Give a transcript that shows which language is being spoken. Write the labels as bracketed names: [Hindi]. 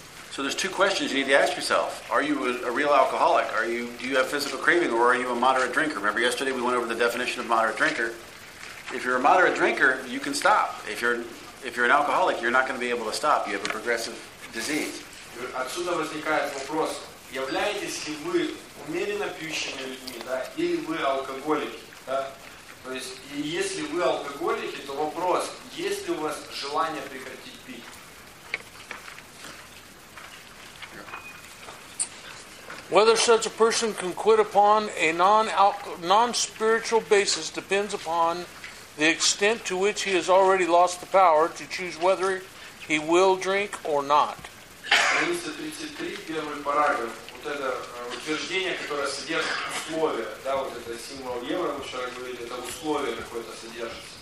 [English] So there's two questions you need to ask yourself. Are you a real alcoholic? Do you have physical craving or are you a moderate drinker? Remember yesterday we went over the definition of moderate drinker. If you're a moderate drinker, you can stop. If you're an alcoholic, you're not going to be able to stop. You have a progressive disease. [Russian] Отсюда возникает вопрос. Являетесь ли вы умеренно пьющими людьми, да, или вы алкоголики, да? То есть, и если вы алкоголики, то вопрос, есть ли у вас желание прекратить пить? [English] Whether such a person can quit upon a non-spiritual basis depends upon the extent to which he has already lost the power to choose whether he will drink or not. [Russian] 33, первый параграф. Вот это утверждение, которое содержит условия, да, вот это символ евро, мы вчера говорили, это условие какое-то содержится.